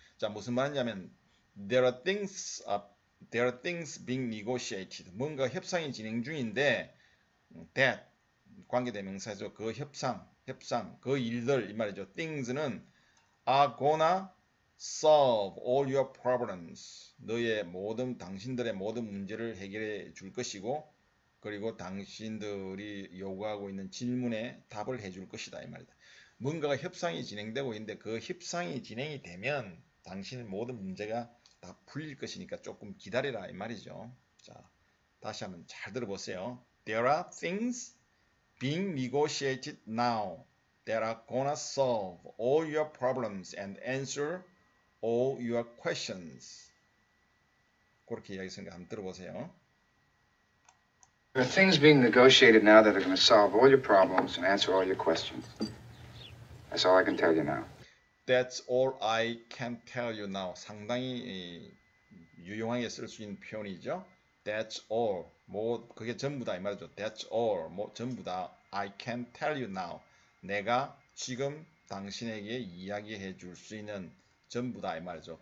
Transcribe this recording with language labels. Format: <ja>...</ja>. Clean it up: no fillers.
<ko>자, 무슨 말이냐면</ko> <en>there are things being negotiated.</en> <ko>뭔가 협상이 진행 중인데 that 관계대명사에서 그 협상 그 일들 이 말이죠.</ko> <en>things는 are gonna solve all your problems.</en> <ko>너의 모든 당신들의 모든 문제를 해결해 줄 것이고 그리고 당신들이 요구하고 있는 질문에 답을 해줄 것이다 이 말이다. 뭔가가 협상이 진행되고 있는데 그 협상이 진행이 되면 당신의 모든 문제가 다 풀릴 것이니까 조금 기다리라 이 말이죠. 자, 다시 한번 잘 들어보세요.</ko> <en>There are things being negotiated now that are gonna solve all your problems and answer all your questions.</en> <ko>그렇게 이야기했으니까 한번 들어보세요.</ko> <en>There are things being negotiated now that are going to solve all your problems and answer all your questions. That's all I can tell you now. That's all I can tell you now.</en> <ko>상당히 유용하게 쓸 수 있는 표현이죠.</ko> <en>That's all.</en> <ko>뭐 그게 전부다 이 말이죠.</ko> <en>That's all.</en> <ko>뭐 전부다.</ko> <en>I can tell you now.</en> <ko>내가 지금 당신에게 이야기해 줄 수 있는 전부다 이 말이죠.</ko>